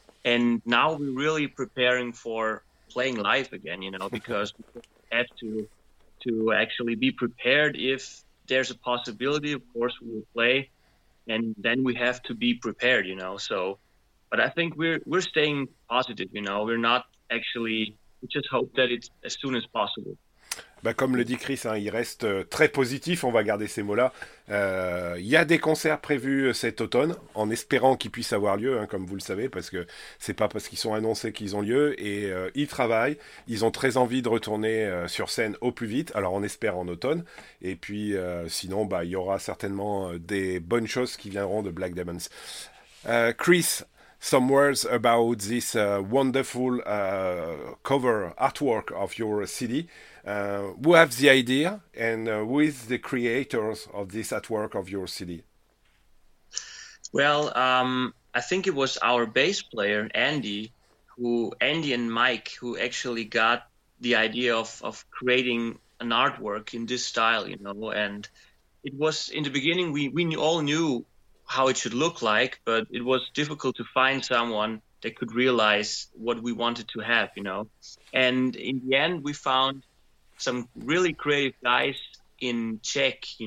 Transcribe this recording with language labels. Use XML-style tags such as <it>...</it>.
<en>And now we're really preparing for playing live again, because we have to actually be prepared. If there's a possibility, of course we will play, and then we have to be prepared, So, but I think we're staying positive, We're not actually, we just hope that it's as soon as possible.</en> <fr>Bah comme le dit Chris, hein, il reste très positif, on va garder ces mots-là. Il y a des concerts prévus cet automne, en espérant qu'ils puissent avoir lieu, hein, comme vous le savez, parce que c'est pas parce qu'ils sont annoncés qu'ils ont lieu, et ils travaillent, ils ont très envie de retourner sur scène au plus vite, alors on espère en automne, et puis sinon, bah, il y aura certainement des bonnes choses qui viendront de Black Diamonds.</fr> <en>Chris, some words about this wonderful cover artwork of your CD. Who have the idea, and who is the creators of this artwork of your CD? Well, I think it was our bass player Andy and Mike who actually got the idea of creating an artwork in this style, And it was in the beginning we all knew how it should look like, but it was difficult to find someone that could realize what we wanted to have, And in the end, we found some really creative guys in Czech,</en>